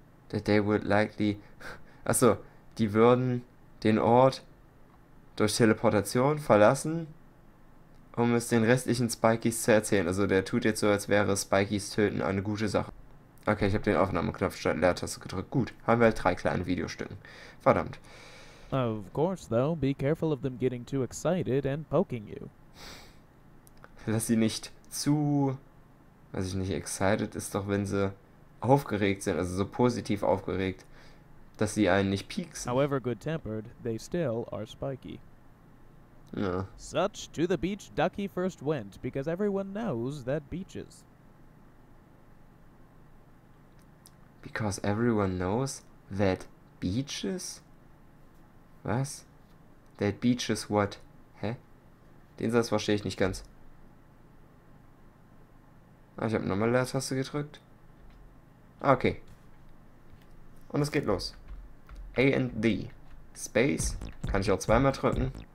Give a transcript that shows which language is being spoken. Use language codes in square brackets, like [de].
[en] That they would likely. [de] Achso, die würden den Ort durch Teleportation verlassen, um es den restlichen Spikies zu erzählen. Also, der tut jetzt so, als wäre Spikies töten eine gute Sache. Okay, ich habe den Aufnahmeknopf statt Leertaste gedrückt. Gut, haben wir halt drei kleine Videostücken. Verdammt. [en] Of course, though, be careful of them getting too excited and poking you. [de] Lass sie nicht zu Weiß ich nicht, excited ist doch, wenn sie aufgeregt sind, also so positiv aufgeregt, dass sie einen nicht pieksen. [en] However good-tempered, they still are spiky. [de] Ja. [en] Such to the beach Ducky first went, because everyone knows that beaches. Because everyone knows that beaches? [de] Was? [en] That beaches what? [de] Hä? Den Satz verstehe ich nicht ganz. Ah, ich habe nochmal Leertaste gedrückt. Okay. Und es geht los. A and D. Space. Kann ich auch zweimal drücken.